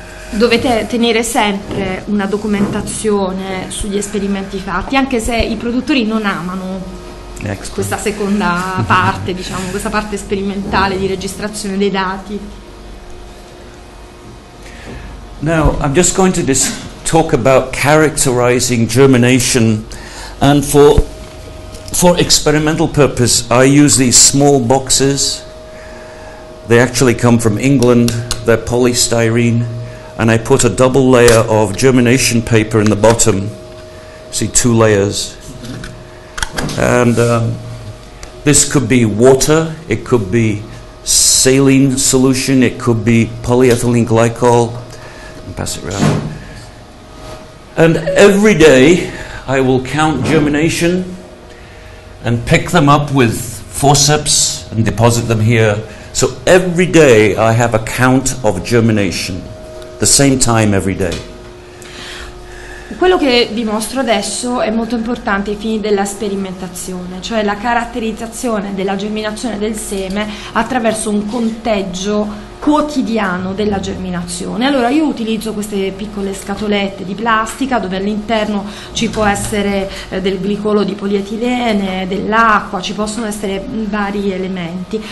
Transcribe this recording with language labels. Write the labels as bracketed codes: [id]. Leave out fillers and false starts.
[it] Dovete tenere sempre una documentazione sugli esperimenti fatti, anche se i produttori non amano questa seconda parte, diciamo, questa parte sperimentale di registrazione dei dati. [en] Now, I'm just going to talk about characterizing germination, and for For experimental purpose, I use these small boxes. They actually come from England. They're polystyrene, and I put a double layer of germination paper in the bottom. See, two layers. And this could be water, it could be saline solution, it could be polyethylene glycol. Pass it around. And every day I will count germination and pick them up with forceps and deposit them here. So every day I have a count of germination, the same time every day. [it] Quello che vi mostro adesso è molto importante ai fini della sperimentazione, cioè la caratterizzazione della germinazione del seme attraverso un conteggio quotidiano della germinazione. Allora io utilizzo queste piccole scatolette di plastica dove all'interno ci può essere del glicolo di polietilene, dell'acqua, ci possono essere vari elementi.